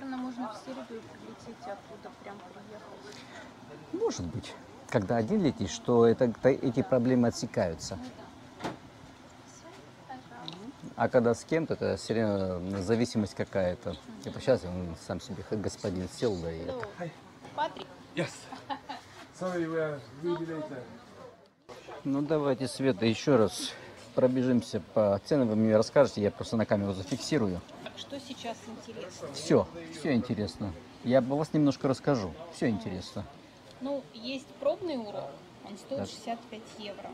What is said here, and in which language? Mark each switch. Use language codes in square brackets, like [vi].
[ru] Там, наверное, можно в Сербию прилететь, оттуда прям приехать. Может быть. Когда один летишь, что эти проблемы отсекаются. А когда с кем-то, это все время зависимость какая-то. Типа сейчас он сам себе господин сел, да и это. Патрик. [en] Yes. Sorry, we are really late. [ru] Ну давайте, Света, еще раз пробежимся по ценам. Вы мне расскажете, я просто на камеру зафиксирую. Что сейчас интересно? Все интересно. Я вас немножко расскажу. Все интересно. Ну, есть пробный урок, он стоит так. 65 евро.